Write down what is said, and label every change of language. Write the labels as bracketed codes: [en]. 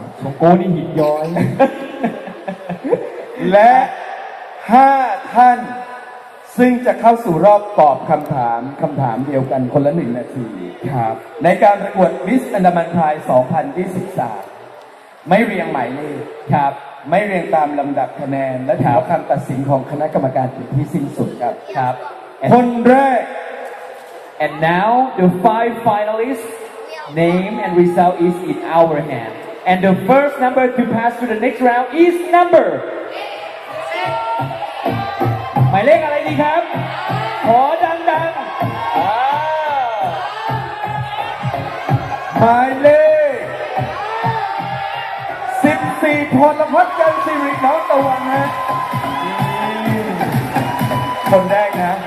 [th] ของโก้นี่หินย้อยและ5ท่านซึ่งจะเข้าสู่รอบตอบคำถามเดียวกันคนละ1นาที ครับ ในการประกวดมิสอันดามันไพรส์2023ไม่เรียงหมายเลข ครับ ไม่เรียงตามลำดับคะแนนและถือว่าคำตัดสินของคณะกรรมการเป็นที่สิ้นสุดครับ ครับ คนแรก [en] and now the five finalists name and result is in our hand and the first number to pass to the next round is number [th] หมายเลขอะไรดีครับขอดังดัง หมายเลข14พลพัฒน์กันสิริน้องตะวันฮะคนแรกนะ